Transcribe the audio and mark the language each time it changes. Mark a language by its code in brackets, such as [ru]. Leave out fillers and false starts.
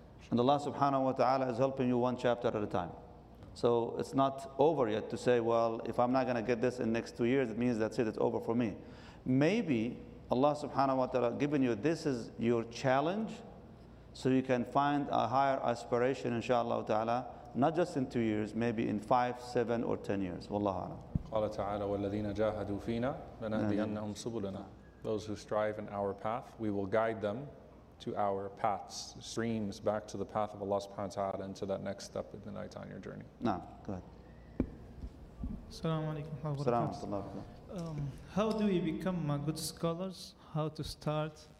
[en] And Allah subhanahu wa ta'ala is helping you one chapter at a time. So it's not over yet to say, well, if I'm not going to get this in the next 2 years, it means that's it, it's over for me. Maybe Allah subhanahu wa ta'ala giving you this is your challenge, so you can find a higher aspiration, inshallah ta'ala, not just in 2 years, maybe in 5, 7, or 10 years. [ar] Wallahu a'lam. Qala ta'ala, وَالَّذِينَ جَاهَدُوا فِينَا لَنَهْدِيَنَّهُمْ سُبُلَنَا. [en] Those who strive in our path, we will guide them to our paths, streams back to the path of Allah subhanahu wa ta'ala and to that next step of the night on your journey. No, go ahead. [ar] Assalamu alaikum wa rahmatullah. [en] How do we become a good scholars? How to start?